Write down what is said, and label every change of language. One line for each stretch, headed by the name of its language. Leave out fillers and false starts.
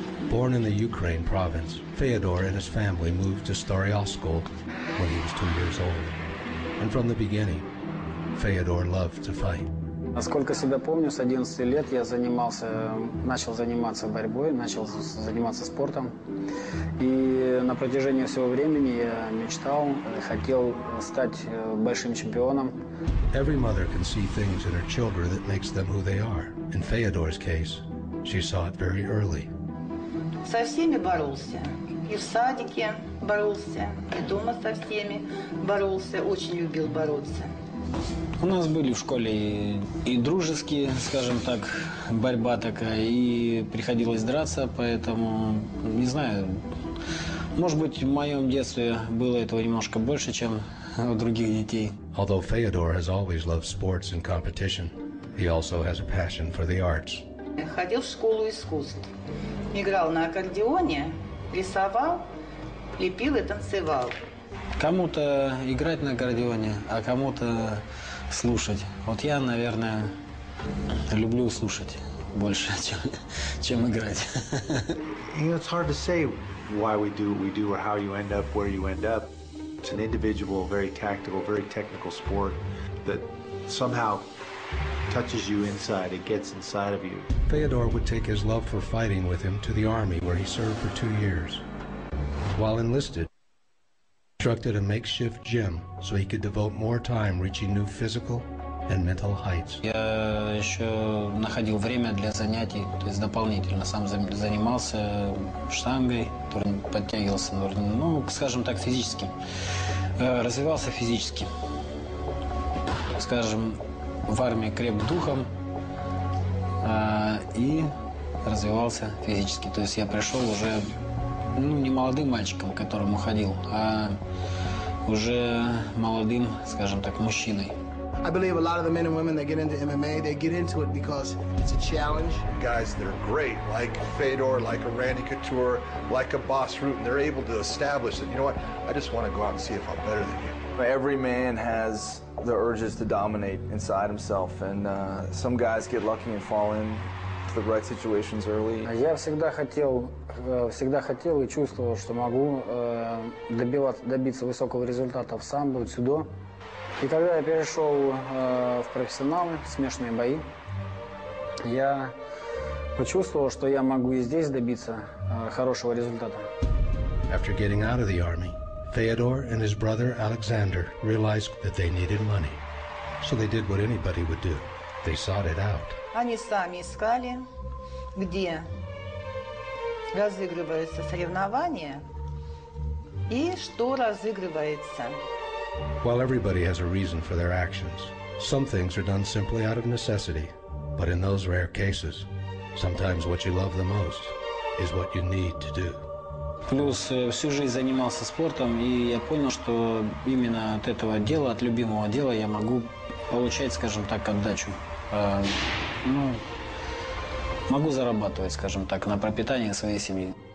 English: Born in the Ukraine province, Fedor and his family moved to Staryoskol when he was 2 years old. And from the beginning, Fedor loved to fight.
Russian: Насколько себя помню, с 11 лет я начал заниматься борьбой, начал заниматься спортом. И на протяжении всего времени я мечтал, хотел стать большим чемпионом.
English: Every mother can see things in her children that makes them who they are. In Fedor's case, she saw it very early.
Russian: Со всеми боролся. И в садике боролся, и дома со всеми боролся, очень любил бороться. У нас были в школе и дружеские, скажем так, борьба такая, и приходилось драться, поэтому, не знаю, может быть, в моем детстве было этого немножко больше, чем у других детей.
English: Although Fedor has always loved sports and competition, he also has a passion for the arts.
Russian: Ходил в школу искусств. Играл на аккордеоне, рисовал, лепил и танцевал. Кому-то играть на аккордеоне, а кому-то слушать. Вот я, наверное, люблю слушать больше, чем играть.
English: You know, it's hard to say why we do what we do or how you end up where you end up. It's an individual, very tactical, very technical sport that somehow touches you inside, it gets inside of you. Fedor would take his love for fighting with him to the army where he served for 2 years. While enlisted, he constructed a makeshift gym so he could devote more time reaching new physical and mental heights.
Russian: Я еще находил время для занятий, то есть дополнительно сам занимался штангой, подтягивался, ну, скажем так, физически. Развивался физически. Скажем, в армии креп духом и развивался физически. То есть я пришел уже не молодым мальчиком, к которому ходил, а уже молодым, скажем так, мужчиной.
English: I believe a lot of the men and women that get into MMA, they get into it because it's a challenge. Guys that are great, like Fedor, like a Randy Couture, like a Boss Rutten, they're able to establish that, you know what, I just want to go out and see if I'm better than you. Every man has the urges to dominate inside himself, and some guys get lucky and fall into the right situations early.
Russian: Я всегда хотел и чувствовал, что могу добиться высокого результата в самбо, дзюдо. И когда я перешел в профессионалы, в смешанные бои, я почувствовал, что я могу и здесь добиться хорошего результата.
English: After getting out of the army, Fedor and his brother Alexander realized that they needed money. So they did what anybody would do. They sought it out.
Russian: Они сами искали, где разыгрываются соревнования и что разыгрывается.
English: While everybody has a reason for their actions, some things are done simply out of necessity. But in those rare cases, sometimes what you love the most is what you need to do.
Russian: Плюс всю жизнь занимался спортом, и я понял, что именно от этого дела, от любимого дела, я могу получать, скажем так, отдачу. Ну, могу зарабатывать, скажем так, на пропитание своей семьи.